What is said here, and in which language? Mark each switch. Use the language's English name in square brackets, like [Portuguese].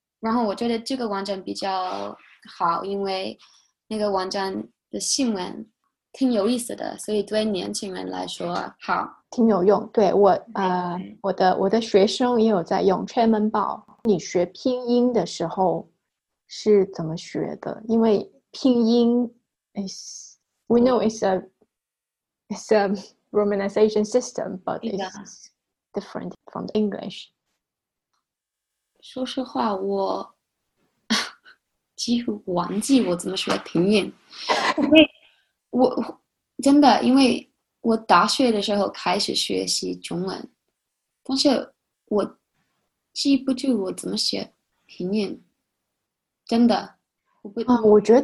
[Chinese] 然后，我觉得这个网站比较好，因为那个网站的新闻挺有意思的，所以对年轻人来说好。挺有用，对，我的学生也有在用 Chairman Ball。你学拼音的时候是怎么学的？因为拼音， [English] we know it's a romanization system, but [Chinese] 对 [English] it's [Chinese] 的。 [English] different from the English。 [Chinese] 说实话，几乎忘记我怎么学拼音，因为我真的，因为我大学的时候开始学习中文，但是我记不住我怎么写拼音，真的，我不。